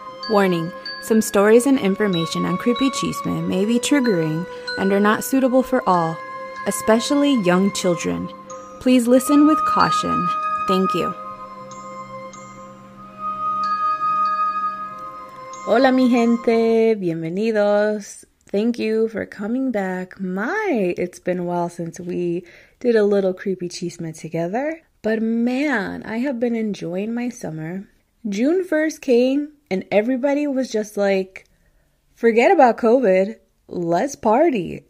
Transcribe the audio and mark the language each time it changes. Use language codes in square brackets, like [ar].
[en] Warning, some stories and information on Creepy Chisme may be triggering and are not suitable for all, especially young children. Please listen with caution. Thank you. [es] Hola mi gente, bienvenidos. [en] Thank you for coming back. My, it's been a while since we did a little Creepy Chisme together. But man, I have been enjoying my summer. June 1st came and everybody was just like, forget about COVID, let's party.